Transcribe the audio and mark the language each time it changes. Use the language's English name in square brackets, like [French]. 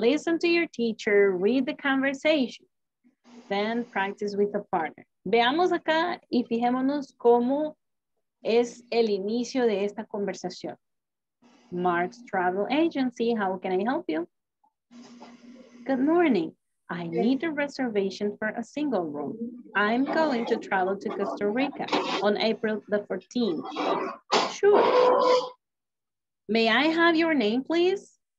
[English] Listen to your teacher, read the conversation, then practice with a partner. [Spanish] Veamos acá y fijémonos cómo es el inicio de esta conversación. [English] Mark's Travel Agency, how can I help you? Good morning. I need a reservation for a single room. I'm going to travel to Costa Rica on April the 14th. Sure. May I have your name, please?